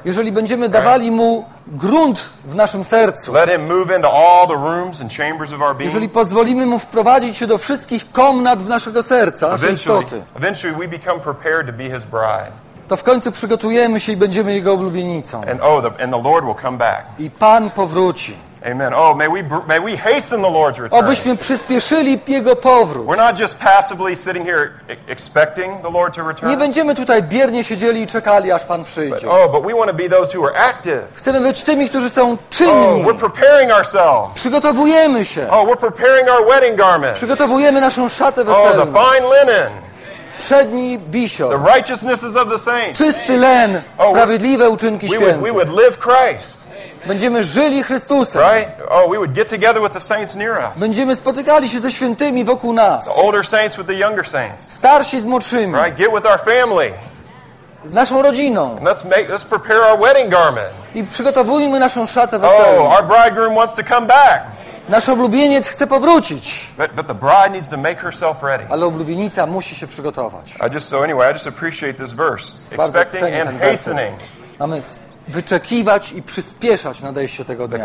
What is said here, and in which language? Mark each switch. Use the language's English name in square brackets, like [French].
[Polish] Jeżeli będziemy dawali Mu grunt w naszym sercu. [English] Let Him move into all the rooms and chambers of our being. [Polish] Jeżeli pozwolimy Mu wprowadzić się do wszystkich komnat w naszego serca, naszej istoty. [English] Eventually we become prepared to be His bride. [Polish] To w końcu przygotujemy się i będziemy Jego oblubienicą. [English] And the Lord will come back. [Polish] I Pan powróci. [English] Amen. Oh, may we hasten the Lord's return. [Polish] Obyśmy przyspieszyli Jego powrót. [English] We're not just passively sitting here expecting the Lord to return. [Polish] Nie będziemy tutaj biernie siedzieli i czekali, aż Pan przyjdzie. [English] But we want to be those who are active. [Polish] Chcemy być tymi, którzy są czynni. [English] Oh, we're preparing ourselves. [Polish] Przygotowujemy się. [English] Oh, we're preparing our wedding garment. [Polish] Przygotowujemy naszą szatę weselną. [English] Oh, the fine linen. [Polish] Przedni bisior. [English] The righteousnesses of the saints. [Polish] Czysty len. Oh, sprawiedliwe uczynki świętych. [English] We would live Christ. [Polish] Będziemy żyli Chrystusem. [English] Right? Oh, we would get together with the saints near us. [Polish] Będziemy spotykali się ze świętymi wokół nas. [English] The older saints with the younger saints. [Polish] Starsi z młodszymi. [English] Right? Get with our family. [Polish] Z naszą rodziną. [English] And let's prepare our wedding garment. [Polish] I przygotowujmy naszą szatę weselną. [English] Oh, our bridegroom wants to come back. [Polish] Nasz oblubieniec chce powrócić. [English] But the bride needs to make herself ready. [Polish] Ale oblubienica musi się przygotować. [English] I just appreciate this verse. Expecting and hastening. [Polish] Wyczekiwać i przyspieszać nadejście tego dnia.